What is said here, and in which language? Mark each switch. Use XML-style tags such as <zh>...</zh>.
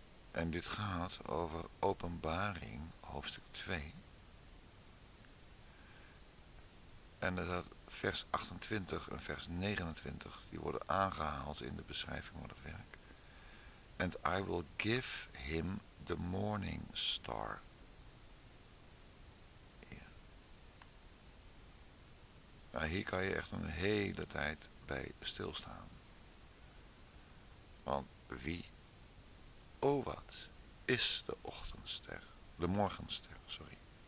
<nl>En dit gaat over Openbaring, hoofdstuk 2. En er staat vers 28 en vers 29, die worden aangehaald in de beschrijving van het werk.</nl> <en>And I will give him the morning star.</en> <nl>Hier. Nou, hier kan je echt een hele tijd bij stilstaan. Want wie, oh wat, is de ochtendster, de morgenster, sorry.</nl>